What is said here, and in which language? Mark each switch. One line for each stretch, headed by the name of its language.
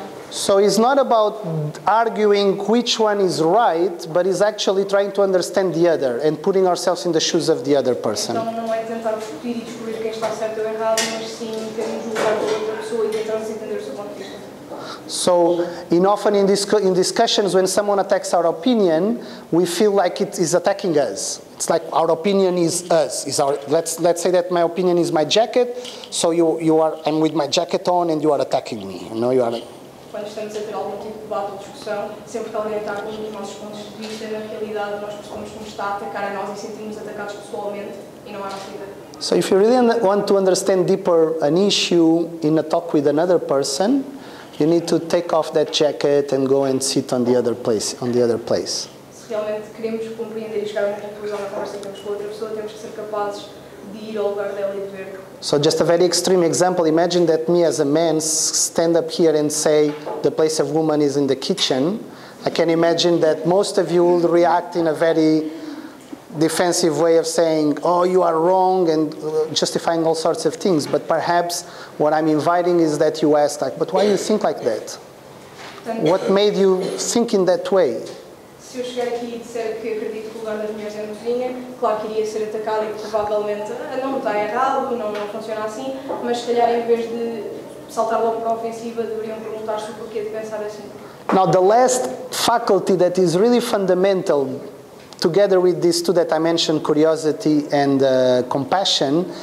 English: So it's not about arguing which one is right, but it's actually trying to understand the other and putting ourselves in the shoes of the other person.
Portuguese: Então não é tentar discutir e descobrir quem está certo ou errado, mas sim termos um lugar para outra pessoa e tentarmos entender o seu ponto de vista.
English: So, in discussions, when someone attacks our opinion, we feel like it is attacking us. It's like our opinion is us. Is our, let's say that my opinion is my jacket. So you are, I'm with my jacket on, and you are attacking me. You know, you are.
Portuguese: Quando estamos a ter algum tipo de debate ou discussão, sempre que alguém ataca os nossos pontos de vista, na realidade nós percebemos como está a atacar a nós e sentimos atacados pessoalmente e não há nossa vida.
English: So if you really want to understand deeper an issue in a talk with another person, you need to take off that jacket and go and sit on the other place. On the other place.
Portuguese: Se realmente queremos compreender e chegar a uma conclusão na conversa que temos com outra pessoa, temos que ser capazes de ir ao lugar dela e de ver.
English: So just a very extreme example, imagine that me as a man stand up here and say the place of woman is in the kitchen. I can imagine that most of you will react in a very defensive way of saying, oh, you are wrong, and justifying all sorts of things. But perhaps what I'm inviting is that you ask, like, but why do you think like that? What made you think in that way?
Portuguese: Se eu chegar aqui e disser que acredito que o lugar das mulheres é na cozinha, claro que iria ser atacado e provavelmente não está errado, não funciona assim, mas se calhar em vez de saltar logo para a ofensiva, deveriam perguntar-se o porquê de pensar assim.
English: Now, the last faculty that is really fundamental together with these two that I mentioned, curiosity and compassion.